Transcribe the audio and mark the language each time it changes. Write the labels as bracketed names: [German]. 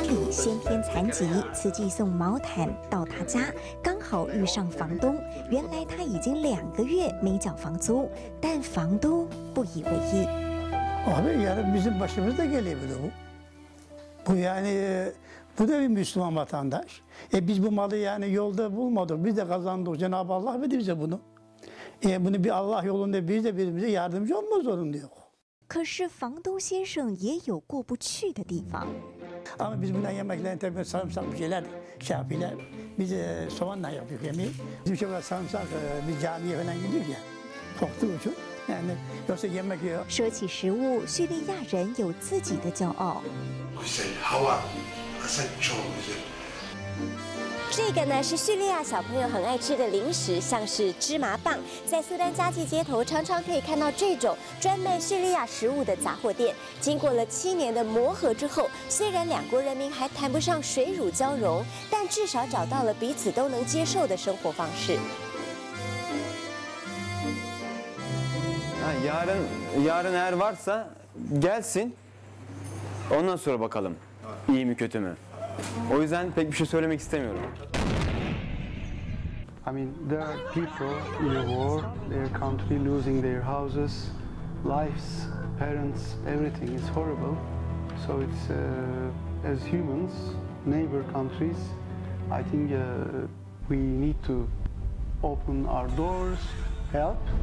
[Chinese] 先天残疾，慈济送毛毯到他家，刚好遇上房东。原来他已经2个月没缴房租，但房东不以为意。 [Turkish] Abi yani bizim başımızda gelebilir bu. Bu yani bu da bir Müslüman vatandaş. Biz bu malı yani yolda bulmadık, biz de kazandık. Cenab-ı Allah verdi bize bunu. Yani bunu bir Allah yolunda biz de birbirimize yardımcı olma zorunda yok. [Chinese] 可是房东先生也有过不去的地方。 [Turkish] Ama biz bundan yemeklerini tabii sarımsak bir şeyler şey yapıyorlar. Biz de soğanla yapıyoruz yemeği. Bizim şey var sarımsak bir camiye falan gidiyoruz ya. Korktuğu için. Yani yoksa yemek yiyor. [Chinese] 说起食物，叙利亚人有自己的骄傲。 [Turkish] Güzel hava, güzel çok güzel. [Chinese] 这个呢是叙利亚小朋友很爱吃的零食，像是芝麻棒，在苏丹加济街头常常可以看到这种专卖叙利亚食物的杂货店。经过了七年的磨合之后，虽然两国人民还谈不上水乳交融，但至少找到了彼此都能接受的生活方式。 [Turkish] 啊，yarın yarın eğer varsa gelsin, ondan sonra bakalım, iyi mi kötü mü? O yüzden pek bir şey söylemek istemiyorum. [English] I mean, there are people in a war, their country losing their houses, lives, parents, everything is horrible. So it's, as humans, neighbor countries, I think, we need to open our doors, help.